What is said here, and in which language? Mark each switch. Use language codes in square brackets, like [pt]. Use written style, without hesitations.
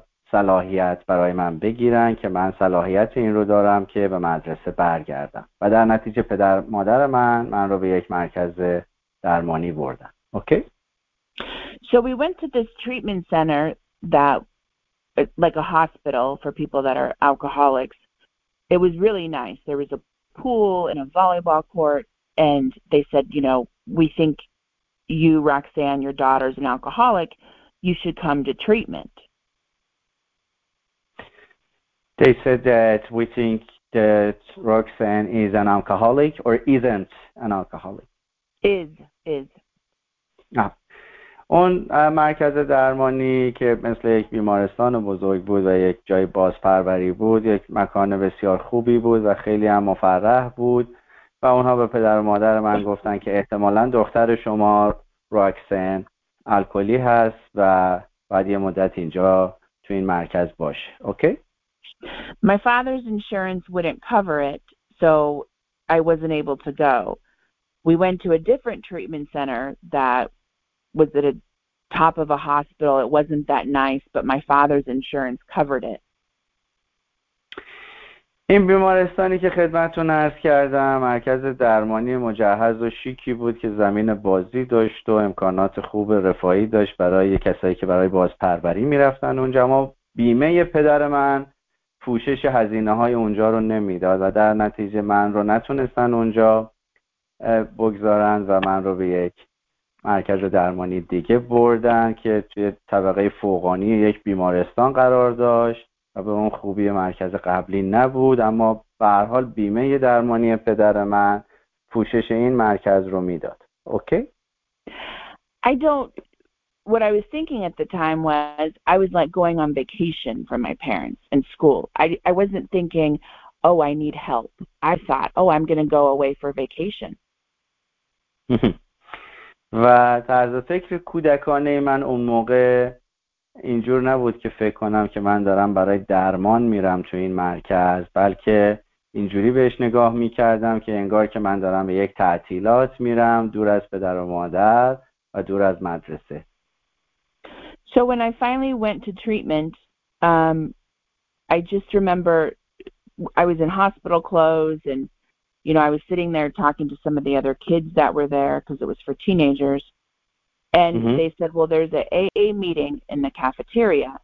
[fa] صلاحیت برای من بگیرن که من صلاحیت این رو دارم که به مدرسه برگردم، و در نتیجه پدر مادر من رو به یک مرکز درمانی بردن. [en] Okay? So we went to this treatment center that like a hospital for people that are alcoholics. It was really nice. There was a pool and a volleyball court, and they said, you know, we think you, Roxanne, your daughter's an alcoholic, you should come to treatment. They said that we think that Roxanne is an alcoholic or isn't an alcoholic. Is. آه. [fa] اون مرکز درمانی که مثل یک بیمارستان بزرگ بود و یک جای بازپروری بود، یک مکان بسیار خوبی بود و خیلی هم مفرح بود و اونها به پدر و مادر من گفتن که احتمالاً دختر شما راکسن الکلی هست و بعد یه مدت اینجا تو این مرکز باشه. [en] Okay? My father's insurance wouldn't cover it, so I wasn't able to go. We went to a different treatment center that was at the top of a hospital. It wasn't that nice, but my father's insurance covered it. [fa] این بیمارستانی که خدمتتون عرض کردم مرکز درمانی مجهز و شیکی بود که زمین بازی داشت و امکانات خوب رفاهی داشت برای کسایی که برای بازپروری می‌رفتن اونجا. ما بیمه پدر من پوشش هزینه های اونجا رو نمیداد و در نتیجه من رو نتونستن اونجا بگذارن و من رو به یک مرکز درمانی دیگه بردن که توی طبقه فوقانی یک بیمارستان قرار داشت و به اون خوبی مرکز قبلی نبود، اما به هر حال بیمه درمانی پدر من پوشش این مرکز رو میداد. [en] Okay? I don't What I was thinking at the time was I was like going on vacation from my parents and school. I wasn't thinking, oh, I need help. I thought, oh, I'm going to go away for vacation. [fa] و طرز فکر کودکانه من اون موقع اینجور نبود که فکر کنم که من دارم برای درمان میرم تو این مرکز، بلکه اینجوری بهش نگاه میکردم که انگار که من دارم به یک تعطیلات میرم دور از پدر و مادر و دور از مدرسه. [en] So when I finally went to treatment, I just remember I was in hospital clothes and, you know, I was sitting there talking to some of the other kids that were there because it was for teenagers. And mm-hmm. they said, well, there's an AA meeting in the cafeteria.